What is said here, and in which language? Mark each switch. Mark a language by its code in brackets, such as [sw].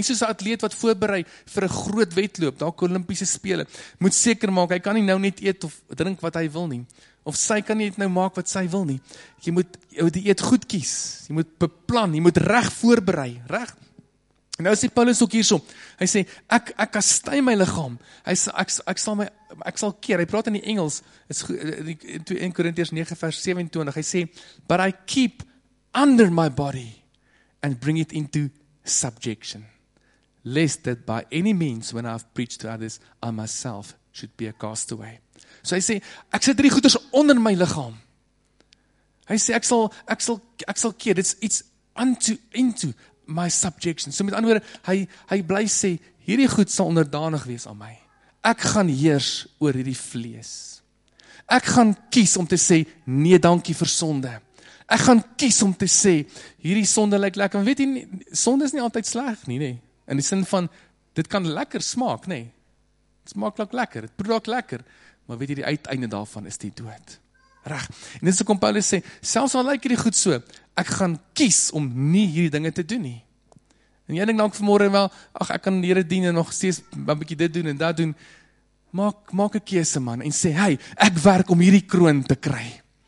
[af] Nie soos 'n atleet wat voorberei vir 'n groot wedloop, dalk Olimpiese spele, moet seker maak hy kan nie nou net eet of drink wat hy wil nie, of sy kan nie net nou maak wat sy wil nie. Jy moet jou dieet goed kies. Jy moet beplan, jy moet reg voorberei, reg? En nou sê Paulus ook hierso. Hy sê ek kastei my liggaam. Hy sê ek sal keer. Hy praat in die Engels. Dit's in 2 Korintiërs 9 vers 27. Hy sê [en] but I keep under my body and bring it into subjection. Lest that by any means when I have preached to others, I myself should be a castaway. [af] So hy sê, ek sit hierdie goeders onder my liggaam. Hy sê, ek sal keer, dit's iets [en] into my subjection. [af] So met ander woorde, hy bly sê, hierdie goed sal onderdanig wees aan my. Ek gaan heers oor hierdie vlees. Ek gaan kies om te sê, nee dankie vir sonde. Ek gaan kies om te sê, hierdie sonde lyk lekker. Want weet jy, sonde is nie altyd sleg nie, nê? In die sin van, dit kan lekker smaak, nê? Dit smaak lekker, dit proe lekker. Maar weet jy, die uiteinde daarvan is die dood. Reg. En dit is ook om Paulus sê, selfs al lyk hierdie goed so, ek gaan kies om nie hierdie dinge te doen nie. En jy dink dalk vanmôre wel, ag, ek kan die Here dien en nog steeds 'n bietjie dit doen en dat doen. Maak 'n keuse, man, en sê, hey, ek werk om hierdie kroon te kry.